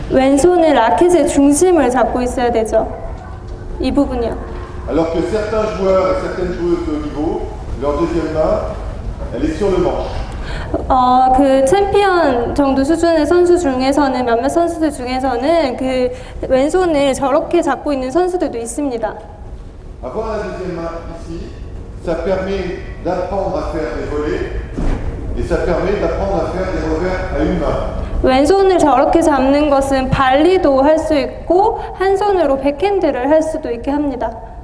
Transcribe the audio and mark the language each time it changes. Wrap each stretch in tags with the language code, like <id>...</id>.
<ko>왼손의 라켓의 중심을 잡고 있어야 되죠. 이 부분이요.</ko> <fr>Alors que certains joueurs et certaines joueuses de niveau, leur deuxième main, elle est sur le manche.</fr> <ko>그 챔피언 정도 수준의 선수 중에서는 몇몇 선수들 중에서는 그 왼손을 저렇게 잡고 있는 선수들도 있습니다.</ko> <fr>Avoir la deuxième main ici, ça permet d'apprendre à faire des volées et ça permet d'apprendre à faire des revers à une main.</fr> <ko>왼손을 저렇게 잡는 것은 발리도 할 수 있고 한 손으로 백핸드를 할 수도 있게 합니다.</ko>